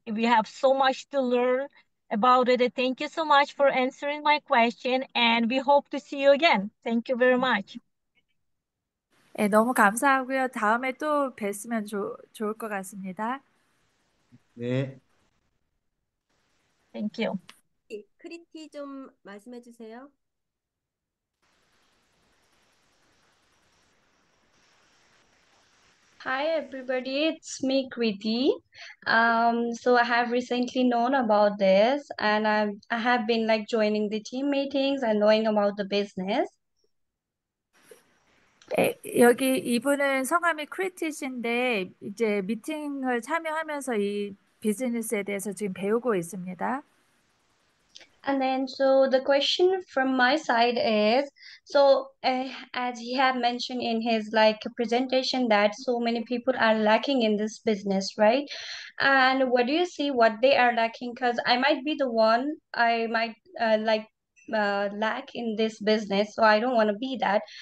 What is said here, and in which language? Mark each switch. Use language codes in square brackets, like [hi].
[en] We have so much to learn about it. Thank you so much for answering my question, and we hope to see you again. Thank you very much. [ko] 네, 너무 감사하고요. 다음에 또 뵀으면 좋을 것 같습니다. 네. [en] Thank you. [ko] 크리티 좀 말씀해 주세요. [en] Hi everybody, it's me, Kriti. So I have recently known about this, and I have been like joining the team meetings and knowing about the business. [ko] 여기 이분은 성함이 크리티시인데 이제 미팅을 참여하면서 이 비즈니스에 대해서 지금 배우고 있습니다. [en] And then, so the question from my side is, so as he had mentioned in his like presentation that so many people are lacking in this business, right? And what do you see what they are lacking? Because I might be the one I might lack in this business, so I don't want to be that.